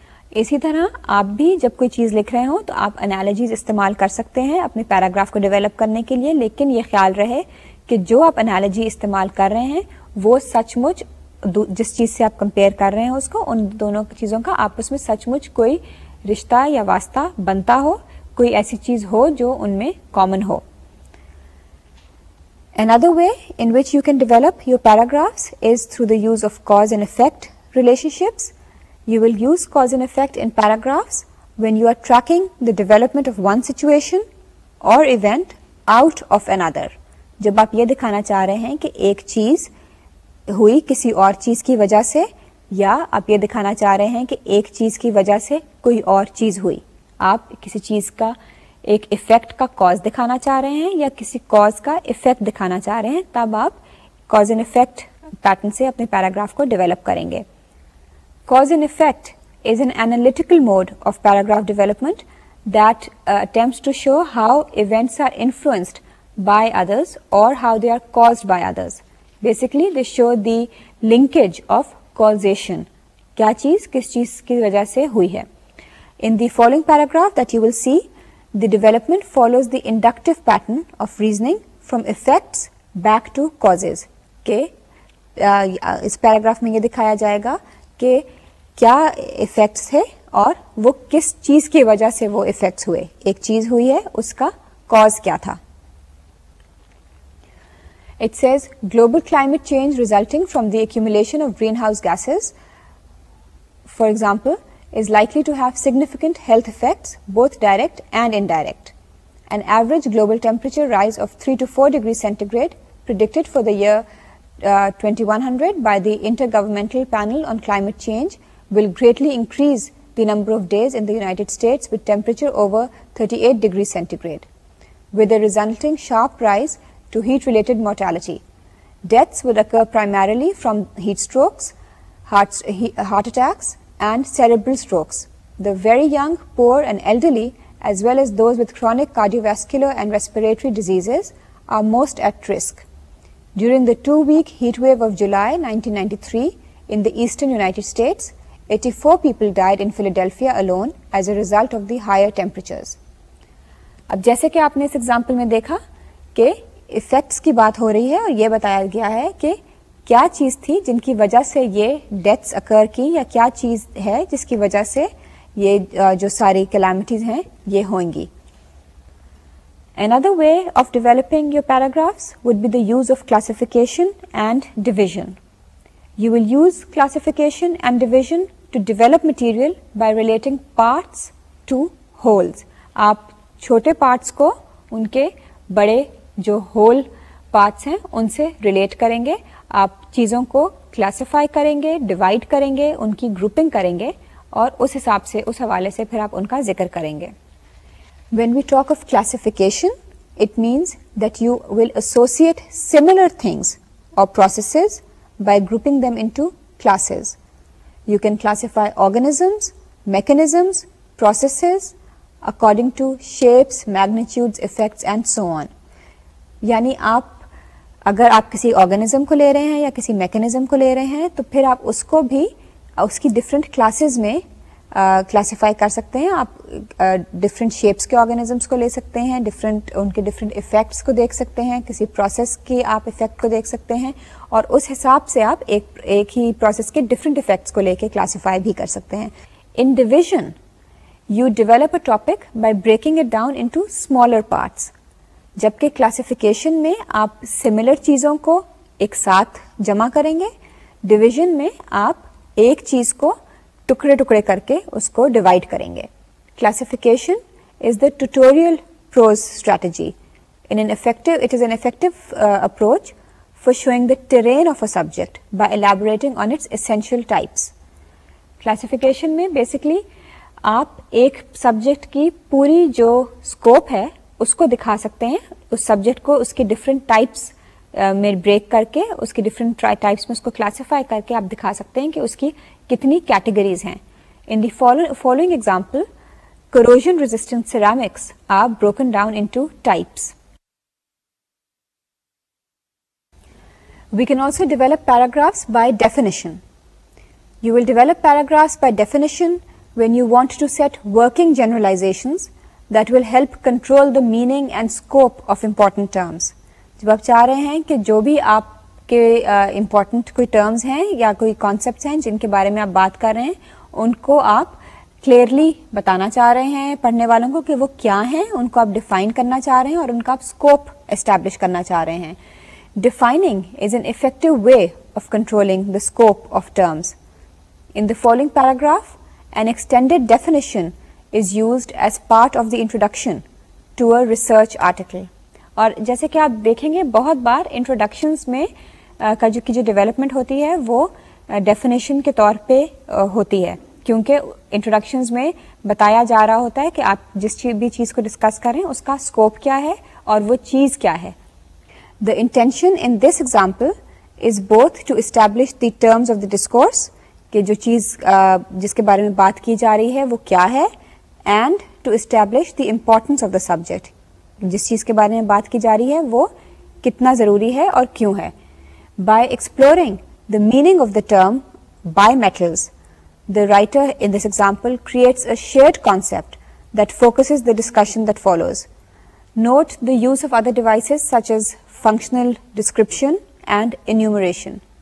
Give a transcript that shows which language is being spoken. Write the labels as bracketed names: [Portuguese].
[Urdu] اسی طرح آپ بھی جب کوئی چیز لکھ رہے ہوں تو آپ انالوجیز استعمال کر سکتے ہیں اپنے پیراگراف کو ڈیولپ کرنے کے لیے, لیکن یہ خیال رہے کہ جو آپ انالوجی استعمال کر رہے ہیں وہ سچ مچ جس چیز سے آپ کمپیئر کر رہے ہیں اس کو ان دونوں چیزوں کا آپس میں سچ مچ کوئی رشتہ یا واسطہ بنتا ہو, کوئی ایسی چیز ہو جو ان میں common ہو. [English] Another way in which you can develop your paragraphs is through the use of cause and effect relationships. You will use cause and effect in paragraphs when you are tracking the development of one situation or event out of another. [Urdu] جب آپ یہ دکھانا چاہ رہے ہیں کہ ایک چیز ہوئی کسی اور چیز کی وجہ سے, یا آپ یہ دکھانا چاہ رہے ہیں کہ ایک چیز کی وجہ سے کوئی اور چیز ہوئی, آپ کسی چیز کا ایک افیکٹ کا کاز دکھانا چاہ رہے ہیں یا کسی کاز کا افیکٹ دکھانا چاہ رہے ہیں, تب آپ کاز اینڈ افیکٹ پیٹرن سے اپنے پیراگراف کو ڈیولپ کریں گے. [English] Cause and effect is an analytical mode of paragraph development that attempts to show how events are influenced by others or how they are caused by others. Basically, they show the linkage of causation, [Urdu] کیا چیز کس چیز کی وجہ سے ہوئی ہے. [English] in the following paragraph that you will see the development follows the inductive pattern of reasoning from effects back to causes, [Urdu] کہ اس پیراگراف میں یہ دکھایا جائے گا کہ کیا افیکٹس ہے اور وہ کس چیز کی وجہ سے وہ افیکٹس ہوئے, ایک چیز ہوئی ہے اس کا کاز کیا تھا. [English] It says global climate change resulting from the accumulation of greenhouse gases, for example, is likely to have significant health effects, both direct and indirect. An average global temperature rise of 3 to 4 degrees centigrade predicted for the year 2100 by the Intergovernmental Panel on Climate Change will greatly increase the number of days in the United States with temperature over 38 degrees centigrade, with a resulting sharp rise to heat-related mortality. Deaths will occur primarily from heat strokes, heart attacks, and cerebral strokes. The very young, poor, and elderly, as well as those with chronic cardiovascular and respiratory diseases, are most at risk. During the two-week heat wave of July 1993 in the eastern United States, 84 people died in Philadelphia alone as a result of the higher temperatures. [Urdu] اب جیسے کہ آپ نے اس example میں دیکھا کہ effects کی بات ہو رہی ہے اور یہ بتایا گیا ہے کہ کیا چیز تھی جن کی وجہ سے یہ ڈیتھس اکر کی, یا کیا چیز ہے جس کی وجہ سے یہ جو ساری کلامٹیز ہیں یہ ہوں گی. [English] Another way of developing your paragraphs would be the use of classification and division. You will use classification and division to develop material by relating parts to wholes. [Urdu] آپ چھوٹے پارٹس کو ان کے بڑے جو ہول پارٹس ہیں ان سے relate کریں گے, آپ چیزوں کو کلاسیفائی کریں گے, ڈیوائڈ کریں گے, ان کی گروپنگ کریں گے اور اس حساب سے, اس حوالے سے پھر آپ ان کا ذکر کریں گے. [English] When we talk of classification, it means that you will associate similar things or processes by grouping them into classes. You can classify organisms, mechanisms, processes according to shapes, magnitudes, effects and so on. [Urdu] یعنی آپ اگر آپ کسی organism کو لے رہے ہیں یا کسی میکینزم کو لے رہے ہیں تو پھر آپ اس کو بھی اس کی ڈفرینٹ کلاسز میں کلاسیفائی کر سکتے ہیں. آپ ڈفرینٹ شیپس کے آرگنیزمس کو لے سکتے ہیں, ڈفرینٹ ان کے ڈفرینٹ افیکٹس کو دیکھ سکتے ہیں, کسی پروسیس کی آپ افیکٹ کو دیکھ سکتے ہیں اور اس حساب سے آپ ایک ہی پروسیس کے ڈفرینٹ افیکٹس کو لے کے کلاسیفائی بھی کر سکتے ہیں. [English] in division you develop a topic by breaking it down into smaller parts, [Urdu] جبکہ کلاسیفیکیشن میں آپ سملر چیزوں کو ایک ساتھ جمع کریں گے, ڈویژن میں آپ ایک چیز کو ٹکڑے ٹکڑے کر کے اس کو ڈیوائڈ کریں گے. [English] Classification is the tutorial prose strategy in an effective it is an effective approach for showing the terrain of a subject by elaborating on its essential types. [Urdu] Classification میں بیسکلی آپ ایک سبجیکٹ کی پوری جو scope ہے اس کو دکھا سکتے ہیں, اس سبجیکٹ کو اس کے ڈفرینٹ ٹائپس میں بریک کر کے, اس کے ڈفرینٹ ٹائپس میں اس کو کلاسیفائی کر کے آپ دکھا سکتے ہیں کہ اس کی کتنی کیٹیگریز ہیں. [English] In the following example corrosion resistant ceramics are broken down into types. We can also develop paragraphs by definition. You will develop paragraphs by definition when you want to set working generalizations that will help control the meaning and scope of important terms. [Urdu] جب آپ چاہ رہے ہیں کہ جو بھی آپ کے امپورٹنٹ کوئی ٹرمز ہیں یا کوئی کانسیپٹس ہیں جن کے بارے میں آپ بات کر رہے ہیں, ان کو آپ کلیئرلی بتانا چاہ رہے ہیں پڑھنے والوں کو کہ وہ کیا ہیں, ان کو آپ ڈیفائن کرنا چاہ رہے ہیں اور ان کا آپ اسکوپ اسٹیبلش کرنا چاہ رہے ہیں. [English] Defining is an effective way of controlling the scope of terms. In the following paragraph an extended definition is used as part of the introduction to a research article. [Urdu] اور جیسے کہ آپ دیکھیں گے بہت بار انٹروڈکشنس میں جو ڈیولپمنٹ ہوتی ہے وہ ڈیفینیشن کے طور پہ ہوتی ہے, کیونکہ انٹروڈکشنز میں بتایا جا رہا ہوتا ہے کہ آپ جس بھی چیز کو ڈسکس کریں اس کا اسکوپ کیا ہے اور وہ چیز کیا ہے. [English] The intention in this example is both to establish the terms of the discourse, [Urdu] کہ جو چیز جس کے بارے میں بات کی جا رہی ہے وہ کیا ہے, [English] and to establish the importance of the subject, [Urdu] جس چیز کے بارے میں بات کی جا رہی ہے وہ کتنا ضروری ہے اور کیوں ہے. [English] By exploring the meaning of the term bimetals, the writer in this example creates a shared concept that focuses the discussion that follows. Note the use of other devices such as functional description and enumeration.